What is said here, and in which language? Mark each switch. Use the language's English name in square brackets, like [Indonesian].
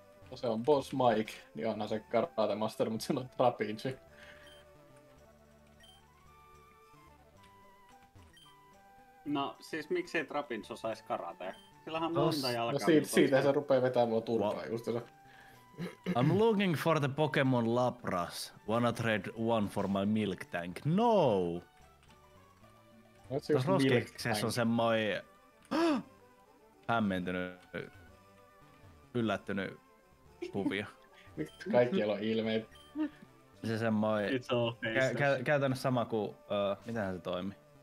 [Finnish] No se on Boss Mike, niin onhan se Karate Master, mutta sillä on trapeze. Mm. No, siis miksei Trapinch osaisi karatea? Sillähän on monta jalkaa. No siitä se rupeaa vetämään mulla turpaa justiinsa. [English] I'm looking for the Pokemon Lapras. Wanna trade one for my milk tank? No! [Finnish] Tuossa roskeksessä on semmoi... hämmentynyt... yllättynyt... kuvia. Miksi kaikkialla on ilmeet? Se semmoi... käytännössä sama kuin... mitähän se toimii?